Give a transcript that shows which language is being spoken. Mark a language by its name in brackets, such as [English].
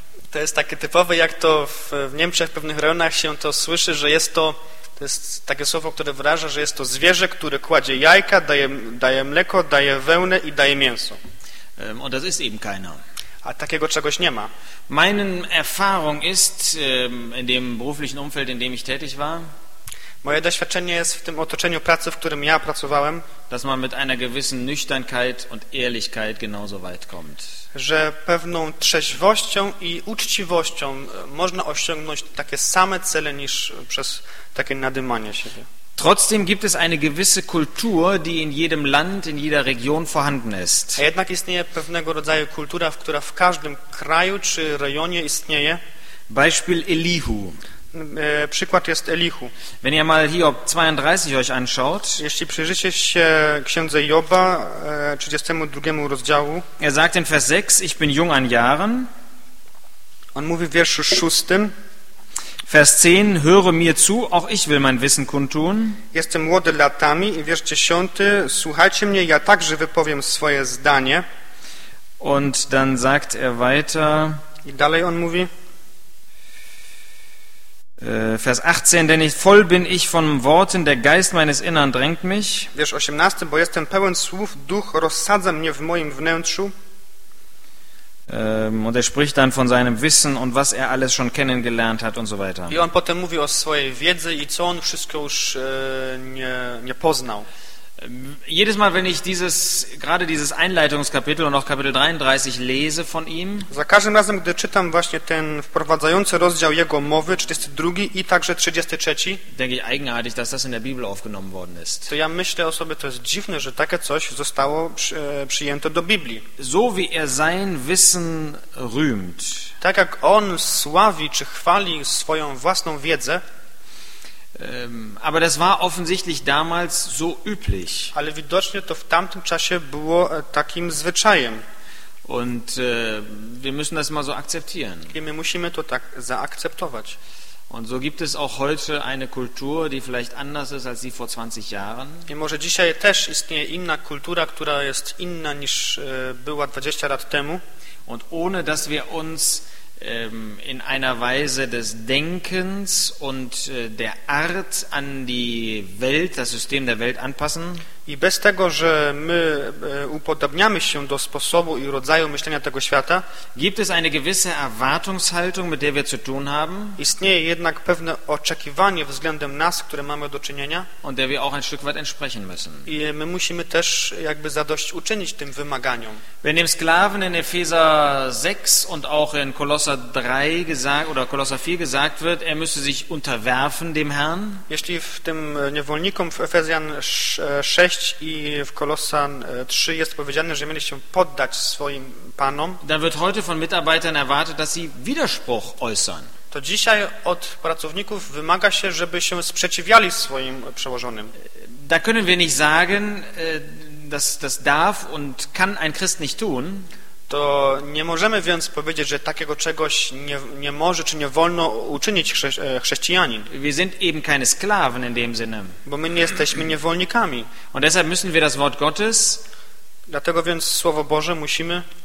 [Polish] To jest takie typowe, jak to w Niemczech, w pewnych rejonach się to słyszy, że jest to, to jest takie słowo, które wyraża, że jest to zwierzę, które kładzie jajka, daje mleko, daje wełnę i daje mięso. [German] Und das ist eben keiner. [Polish] A takiego czegoś nie ma. [German] Meine Erfahrung ist in dem beruflichen Umfeld, in dem ich tätig war. [Polish] Moje doświadczenie jest w tym otoczeniu pracy, w którym ja pracowałem. [German] Dass man mit einer gewissen Nüchternkeit und Ehrlichkeit genauso weit kommt. [Polish] Że pewną trzeźwością i uczciwością można osiągnąć takie same cele niż przez takie nadymanie siebie. [German] Trotzdem gibt es eine gewisse Kultur, die in jedem Land, in jeder Region vorhanden ist. [Polish] A jednak istnieje pewnego rodzaju kultura, która w każdym kraju czy rejonie istnieje. [German] Beispiel Elihu. [Polish] Przykład jest Elihu. [German] Wenn ihr mal Hiob 32 euch anschaut. [Polish] Jeśli przyjrzycie się księdze Joba, 32 rozdziału. [German] Er sagt in Vers 6, ich bin jung an Jahren. [Polish] On mówi w wierszu 6. [German] Vers 10, höre mir zu, auch ich will mein Wissen kundtun. [Polish] Jestem młody latami, wiersz 10, słuchajcie mnie, ja także wypowiem swoje zdanie. [German] Und dann sagt er weiter. [Polish] I dalej on mówi. [German] Vers 18, denn ich voll bin ich von Worten, der Geist meines Innern drängt mich. [Polish] Wiersz 18, bo jestem pełen słów, Duch rozsadza mnie w moim wnętrzu. [German] Und er spricht dann von seinem Wissen und was er alles schon kennengelernt hat und so weiter. [Polish] I on potem mówi o swojej wiedzy i co on wszystko już nie poznał. [German] Jedes Mal, wenn ich gerade dieses Einleitungskapitel und auch Kapitel 33 lese von ihm. [Polish] Za każdym razem, gdy czytam właśnie ten wprowadzający rozdział jego mowy, 32 i także 33, [German] denke ich eigenartig, dass das in der Bibel aufgenommen worden ist. [Polish] To ja myślę o sobie, to jest dziwne, że takie coś zostało przyjęte do Biblii. [German] So wie er sein Wissen rühmt. [Polish] Tak jak on sławi czy chwali swoją własną wiedzę. [German] Aber das war offensichtlich damals so üblich. [Polish] Ale widocznie to w tamtym czasie było takim zwyczajem. [German] Und wir müssen das mal so akzeptieren. [Polish] I my musimy to tak zaakceptować. [German] Und so gibt es auch heute eine Kultur, die vielleicht anders ist als die vor 20 Jahren. [Polish] I może dzisiaj też istnieje inna kultura, która jest inna niż była 20 lat temu. [German] Und ohne dass wir uns in einer Weise des Denkens und der Art an die Welt, das System der Welt anpassen. [Polish] I bez tego, że my upodobniamy się do sposobu i rodzaju myślenia tego świata, [German] gibt es eine gewisse Erwartungshaltung, mit der wir zu tun haben, [Polish] istnieje jednak pewne oczekiwanie względem nas, które mamy do czynienia, [German] und der wir auch ein Stück weit entsprechen müssen. [Polish] I my musimy też jakby zadośćuczynić tym wymaganiom. [German] Wenn dem Sklaven in Epheser 6 und auch in Kolosser 3 gesagt oder Kolosser 4 gesagt wird, er müsse sich unterwerfen dem Herrn, [Polish] jeśli w tym niewolnikom w Efezjan 6 i w Kolosan 3 jest powiedziane, że mieli się poddać swoim panom, [German] dann wird heute von Mitarbeitern erwartet, dass sie Widerspruch äußern. [Polish] To dzisiaj od pracowników wymaga się, żeby się sprzeciwiali swoim przełożonym. [German] Da können wir nicht sagen, dass das darf und kann ein Christ nicht tun. [Polish] To nie możemy więc powiedzieć, że takiego czegoś nie może czy nie wolno uczynić chrześcijanin. [German] Wir sind eben keine Sklaven in dem Sinne. [Polish] Bo my nie jesteśmy niewolnikami. [German] Und deshalb müssen wir das Wort Gottes, [Polish] dlatego więc Słowo Boże musimy